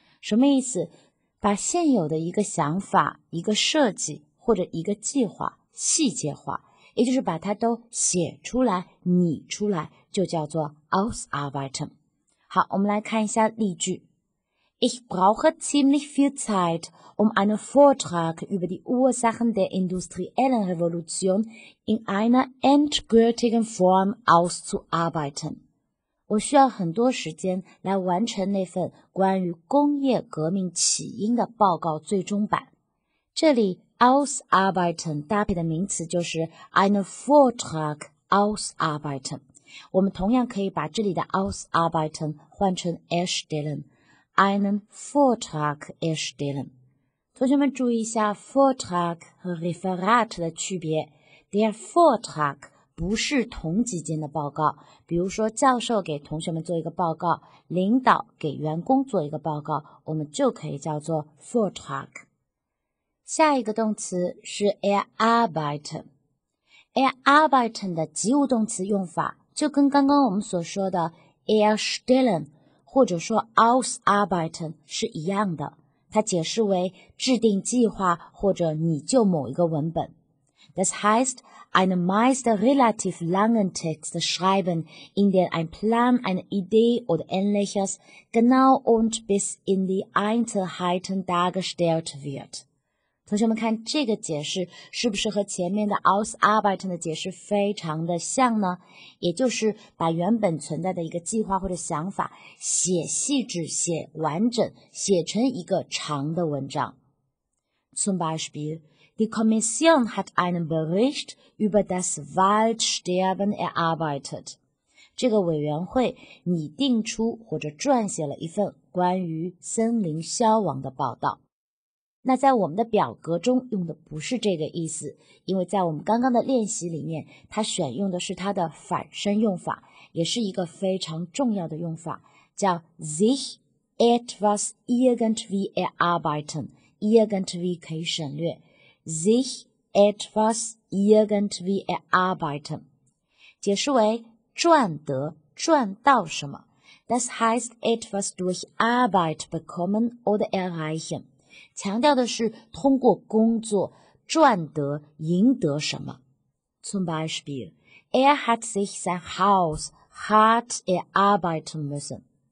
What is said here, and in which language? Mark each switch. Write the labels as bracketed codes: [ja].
[zh] 什么意思？把现有的一个想法、一个设计或者一个计划细节化，也就是把它都写出来、拟出来，就叫做 ausarbeiten。好，我们来看一下例句。 [de] Ich brauche ziemlich viel Zeit, um einen Vortrag über die Ursachen der industriellen Revolution in einer endgültigen Form auszuarbeiten. [zh] 我需要很多时间来完成那份关于工业革命起因的报告最终版。这里 ausarbeiten 搭配的名词就是 [de] einen Vortrag ausarbeiten。 [zh] 我们同样可以把这里的 ausarbeiten 换成 erstellen。 [de] Einen Vortrag erstellen. [zh] 同学们注意一下 Vortrag 和 Referat 的区别。 Der Vortrag 不是同级间的报告，比如说教授给同学们做一个报告，领导给员工做一个报告，我们就可以叫做 Vortrag。下一个动词是 erarbeiten。erarbeiten 的及物动词用法就跟刚刚我们所说的 erstellen或者说 ausarbeiten 是一样的，它解释为制定计划或者拟就某一个文本。 [de] Das heißt, einen meist relativ langen Text schreiben, in den ein Plan, eine Idee oder ähnliches genau und bis in die Einzelheiten dargestellt wird. [zh] 同学们看这个解释是不是和前面的 ausarbeiten 的解释非常的像呢？也就是把原本存在的一个计划或者想法写细致、写完整、写成一个长的文章。 [de] Zum Beispiel, die Kommission hat einen Bericht über das Waldsterben erarbeitet. [zh] 这个委员会拟定出或者撰写了一份关于森林消亡的报道。那在我们的表格中用的不是这个意思，因为在我们刚刚的练习里面，它选用的是它的反身用法，也是一个非常重要的用法，叫 [de] sich etwas irgendwie erarbeiten， [zh] irgendwie 可以省略， sich etwas irgendwie erarbeiten， 解释为赚得、赚到什么。 [de] Das heißt etwas durch Arbeit bekommen oder erreichen， [zh] 强调的是通过工作赚得、赢得什么。 [de] Zum Beispiel, er hat sich sein Haus hart erarbeiten müssen.